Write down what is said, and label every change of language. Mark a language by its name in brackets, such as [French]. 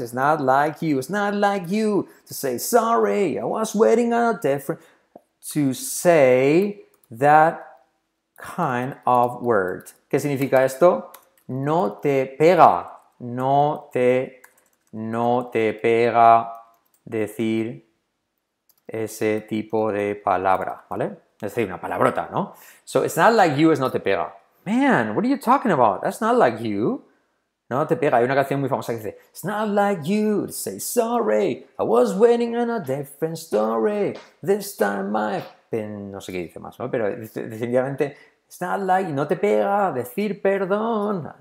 [English] It's not like you, it's not like you to say sorry, I was waiting on a different, to say that kind of word. [Spanish] ¿Qué significa esto? No te pega, no te pega decir ese tipo de palabra, ¿vale? Es decir, una palabrota, ¿no? [English] So, it's not like you, [Spanish] es no te pega. [English] Man, what are you talking about? That's not like you. [Spanish] No te pega. Hay una canción muy famosa que dice, [English] it's not like you to say sorry. I was waiting on a different story. This time my pen. [Spanish] No sé qué dice más, ¿no? Pero definitivamente, [English] it's not like, [Spanish] no te pega decir perdón.